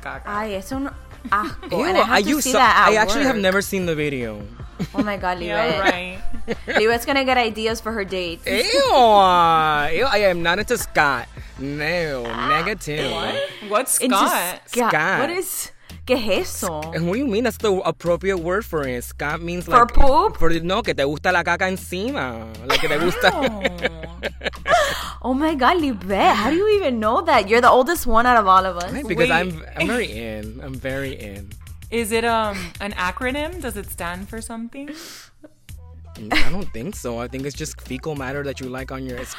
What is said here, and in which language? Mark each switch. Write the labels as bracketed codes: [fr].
[en] I actually have never seen the video. Oh my God, Libet. Yeah, right. Libet's gonna get ideas for her date. Ew, I am not into Scott. No, negative. What's Scott? What is... [es] ¿Qué es eso? [en] What do you mean? That's the appropriate word for it. Scott means for like... For poop? [es] For, no, que te gusta la caca encima. Like, que te gusta... [en] Oh my God, Libet. How do you even know that? You're the oldest one out of all of us. Right, because I'm very in. Is it an acronym? Does it stand for something? I don't think so. I think it's just fecal matter that you like on your...